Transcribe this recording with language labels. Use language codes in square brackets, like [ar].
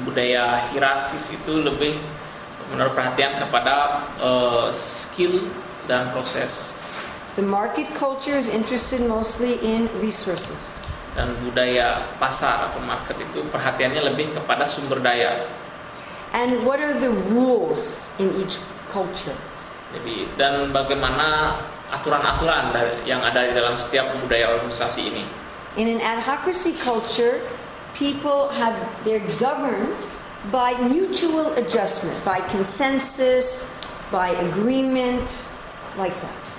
[id] Budaya hierarkis itu lebih menaruh perhatian kepada skill dan proses. [en] The market culture is interested mostly in resources. [id] Dan budaya pasar atau market itu perhatiannya lebih kepada sumber daya. [en] And what are the rules in each culture? [id] Jadi dan bagaimana aturan-aturan yang ada di dalam setiap budaya organisasi ini? [en] In an adhocracy culture, people have they're governed by mutual adjustment, by consensus, by agreement, like that.